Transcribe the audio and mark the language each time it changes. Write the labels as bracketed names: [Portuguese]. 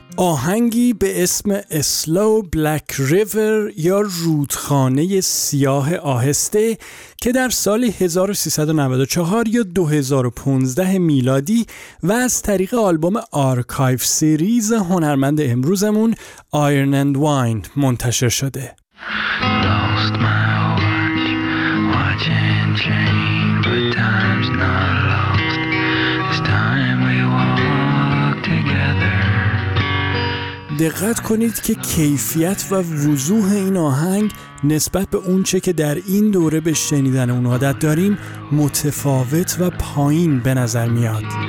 [Persian] آهنگی به اسم Slow Black River یا رودخانه سیاه آهسته که در سال 1394 یا 2015 میلادی و از طریق آلبوم آرکایف سریز هنرمند امروزمون Iron and Wine منتشر شده. [English] Lost my watch, watching chain, but time's not lost. This time we walk together. [Persian] دقت کنید که کیفیت و وضوح این آهنگ نسبت به اون چه که در این دوره به شنیدن اون عادت داریم متفاوت و پایین به نظر میاد.